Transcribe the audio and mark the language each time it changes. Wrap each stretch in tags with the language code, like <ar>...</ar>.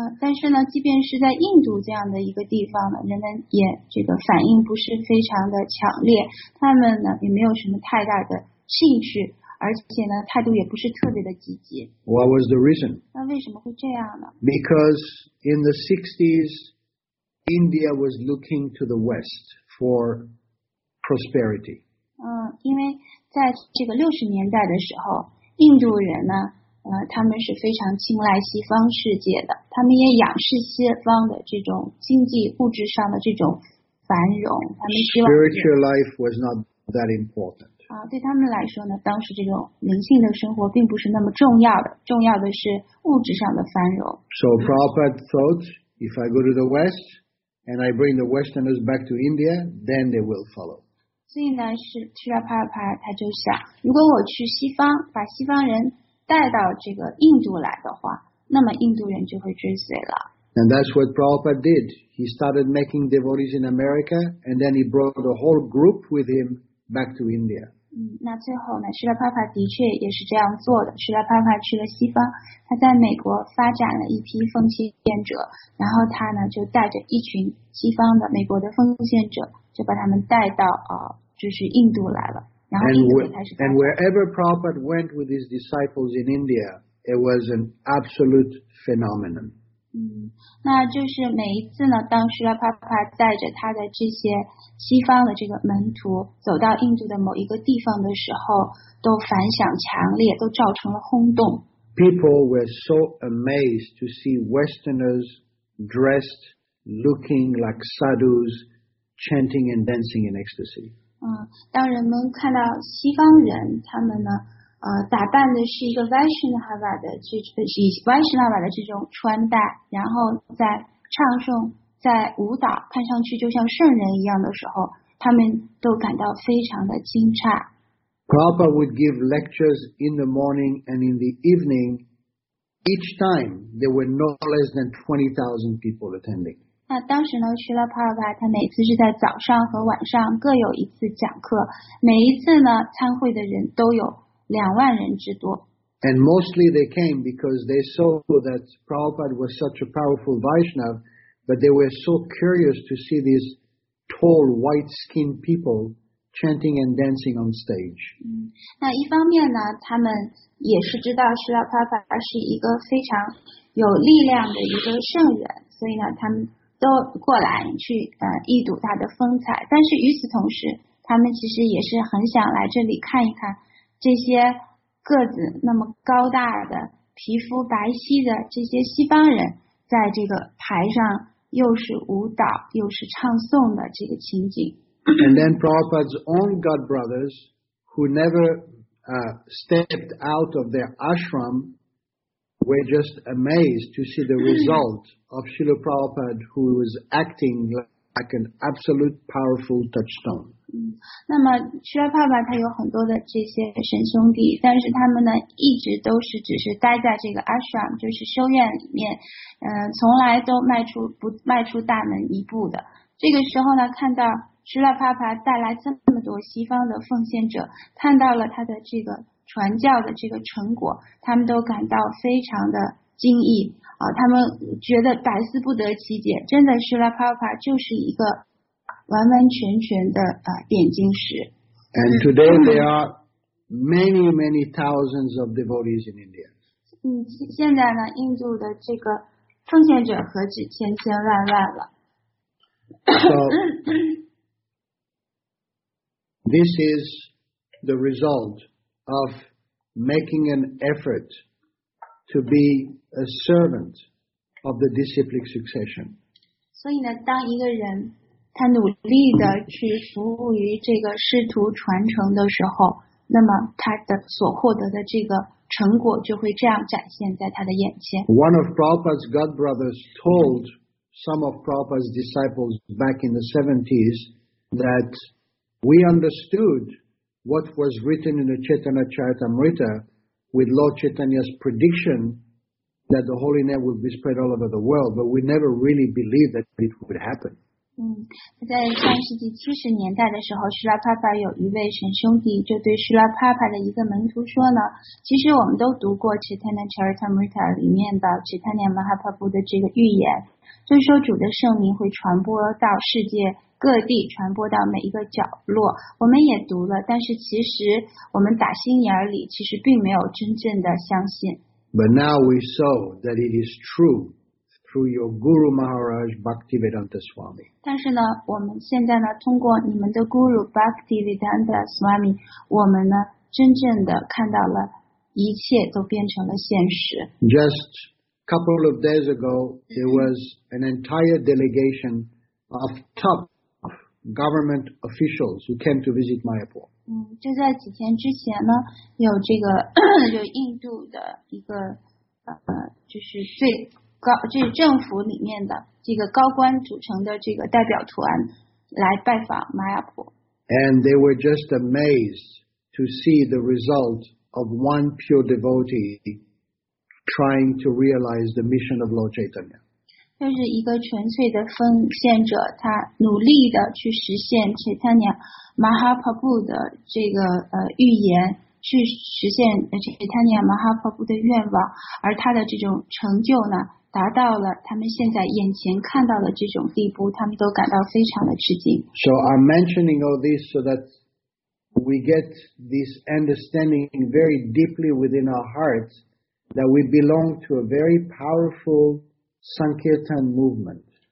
<zh>但是呢，即便是在印度这样的一个地方呢，人们也这个反应不是非常的强烈，他们呢也没有什么太大的兴趣，而且呢态度也不是特别的积极。</zh> <en>What was the reason?</en> <zh>那为什么会这样呢？</zh> <en>Because in the 60s, India was looking to the West for prosperity.</en> <zh>因为在这个六十年代的时候，印度人呢，他们是非常青睐西方世界的，他们也仰视西方的这种经济物质上的这种繁荣，他们希望。</zh> <en>Spiritual life was not that important.</en> <zh>对他们来说呢，当时这种灵性的生活并不是那么重要的，重要的是物质上的繁荣。</zh> <en>So Prabhupada thought, if I go to the West and I bring the Westerners back to India, then they will follow.</en> <zh>所以呢，是提拉帕帕他就想，如果我去西方，把西方人带到这个印度来的话，那么印度人就会追随了。</zh> <en>And that's what Prabhupada did. He started making devotees in America, and then he brought the whole group with him back to India.</en> <zh>那最后呢，提拉帕帕的确也是这样做的。提拉帕帕去了西方，他在美国发展了一批奉献者，然后他呢就带着一群西方的美国的奉献者。就把他们带到就是印度来了，然后印度也开始。</zh> <en>And wherever Prabhupada went with his disciples in India, it was an absolute phenomenon.</en> <zh>那就是每一次呢，当希拉帕帕带着他的这些西方的这个门徒走到印度的某一个地方的时候，都反响强烈，都造成了轰动。</zh> <en>People were so amazed to see Westerners dressed, looking like sadhus. Chanting and dancing in ecstasy.</en> <zh>当人们看到西方人，他们呢，打扮的是一个 Vaishnava 的这以 Vaishnava 的这种穿戴，然后在唱诵，在舞蹈，看上去就像圣人一样的时候，他们都感到非常的惊诧。</zh> <en>Prabhupada would give lectures in the morning and in the evening. Each time, there were no less than 20,000 people attending.</en> <zh>那当时呢，去了帕尔巴，他每次是在早上和晚上各有一次讲课，每一次呢，参会的人都有20,000人之多。</zh> <en>And mostly they came because they saw that Prabhupada was such a powerful Vaishnav, but they were so curious to see these tall white-skinned people chanting and dancing on stage.</en> <zh>那一方面呢，他们也是知道去了帕尔巴是一个非常有力量的一个圣人，所以呢，他们。都过来去一睹他的风采，但是与此同时，他们其实也是很想来这里看一看这些个子那么高大的、皮肤白皙的这些西方人在这个台上又是舞蹈又是唱诵的这个情景。</zh> <en>And then Prabhupada's own god brothers, who never stepped out of their ashram. We're just amazed to see the result of Srila Prabhupada, who was acting like an absolute powerful touchstone.</en> <zh>那么 Srila Prabhupada 他有很多的这些神兄弟，但是他们呢一直都是只是待在这个 ashram， 就是修院里面，从来都不迈出大门一步的。这个时候呢，看到 Srila Prabhupada 带来这么多西方的奉献者，看到了他的这个。传教的这个成果，他们都感到非常的惊异啊！他们觉得百思不得其解，真的是 Prabhupada 就是一个完完全全的点睛石。</zh> <en>And today there are many many thousands of devotees in India.</en> <zh>现在呢，印度的这个奉献者何止千千万万了。</zh> <en>So, this is the result. Of making an effort to be a servant of the disciplic succession.</en> <zh>所以呢，当一个人他努力的去服务于这个师徒传承的时候，那么他的所获得的这个成果就会这样展现在他的眼前。</zh> <en>One of Prabhupada's god brothers told some of Prabhupada's disciples back in the 70s that we understood what was written in the Chaitanya Charitamrita with Lord Chaitanya's prediction that the holy name would be spread all over the world, but we never really believed that it would happen.</en> <zh>在上世纪七十年代的时候，希拉帕帕有一位神兄弟就对希拉帕帕的一个门徒说呢，其实我们都读过 Chaitanya Charitamrita 里面的 Chaitanya Mahaprabhu 的这个预言，就是说主的圣名会传播到世界各地，传播到每一个角落。我们也读了，但是其实我们打心眼里其实并没有真正的相信。</zh> <en>But now we saw that it is true through your Guru Maharaj Bhaktivedanta Swami.</en> <zh>但是呢，我们现在呢，通过你们的 Guru Bhaktivedanta Swami， 我们呢，真正的看到了一切都变成了现实。</zh> <en>Just a couple of days ago, there was an entire delegation of top government officials who came to visit Mayapur.</en> <zh>就在几天之前呢，有这个有印度的一个就是最高，就是政府里面的这个高官组成的这个代表团来拜访马亚普。</zh> <en>And they were just amazed to see the result of one pure devotee trying to realize the mission of Lord Chaitanya.</en> <zh>就是一个纯粹的奉献者，他努力的去实现 Chaitanya Mahaprabhu 的这个预言。去实现这塔尼亚马哈帕布的愿望，而他的这种成就呢，达到了他们现在眼前看到的这种地步，他们都感到非常的吃惊。</zh> <en>So I'm mentioning all this so that we get this understanding very deeply within our hearts that we belong to a very powerful Sankirtan movement.</en>